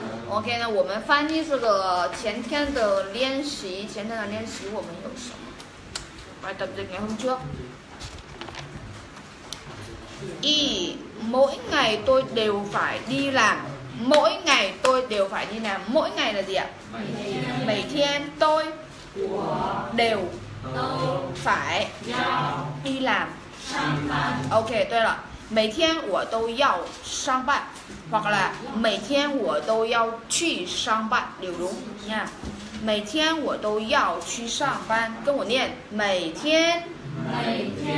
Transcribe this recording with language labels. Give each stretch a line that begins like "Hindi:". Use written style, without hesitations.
Chinese: OK， 那我们翻译这个前天的练习，前天的练习我们有什么？来，等着你们说。
Vietnamese: 一， mỗi ngày tôi đều phải đi làm， mỗi ngày tôi đều phải đi làm， mỗi ngày là gì ạ？ Mỗi
Chinese: 天
Vietnamese: tôi đều phải đi làm。
Chinese: OK， 对了，每天我都要上班。
Vietnamese: hoặc là mỗi ngày tôi đều phải đi làm bạn đều đúng nha. Mỗi ngày tôi đều phải đi làm bạn cùng tôi niệm mỗi ngày